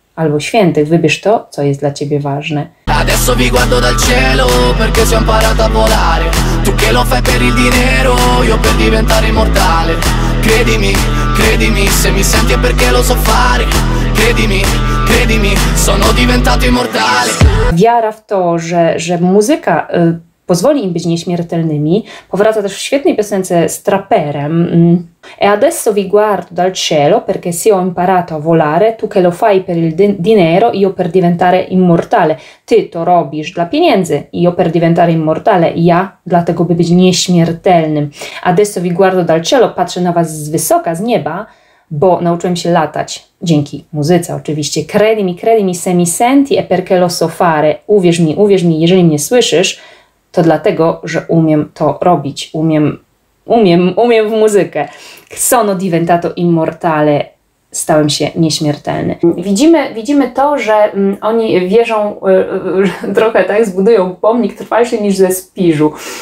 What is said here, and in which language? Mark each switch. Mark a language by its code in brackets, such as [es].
[pl] Albo świętych, wybierz to, co jest dla ciebie ważne. [it] Adesso vi guardo dal cielo perché si è imparato a volare. Tu che lo fai per il dinero, io per diventare immortale. Credimi, credimi, se mi senti è perché lo so fare. Credimi, credimi, sono diventato immortale. [pl] Wiara w to, że muzyka pozwoli im być nieśmiertelnymi, powraca też w świetnej piosence z Trapperem. [it] E adesso vi guardo dal cielo perché si ho imparato a volare, tu che lo fai per il dinero, io per diventare immortale. [pl] Ty to robisz dla pieniędzy, [it] io per diventare immortale, [pl] ja dlatego by być nieśmiertelnym. [it] Adesso vi guardo dal cielo, [pl] patrzę na was z wysoka, z nieba, bo nauczyłem się latać, dzięki muzyce oczywiście. [it] Credimi, credimi, se mi senti e perché lo so fare. [pl] Uwierz mi, jeżeli mnie słyszysz, to dlatego, że umiem to robić, umiem w muzykę. [it] Sono diventato immortale, [pl] stałem się nieśmiertelny. Widzimy to, że oni wierzą trochę, tak, zbudują pomnik trwalszy niż ze spiżu.